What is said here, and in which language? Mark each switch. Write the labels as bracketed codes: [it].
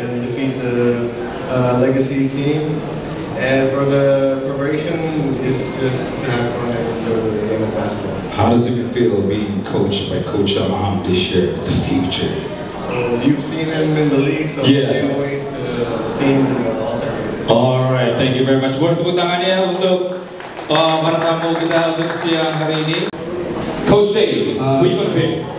[en] And defeat the legacy team. And for the preparation, it's just to have fun and enjoy the game of basketball. How does it feel being coached by Coach Alham this year, the future? You've seen him in the league, so yeah. I can't wait to see him in the All-Star game. Alright, thank you very much. [id] Boleh tepuk tangannya untuk para tamu kita untuk siang hari ini. [en] Coach Dave, who are you going to pick?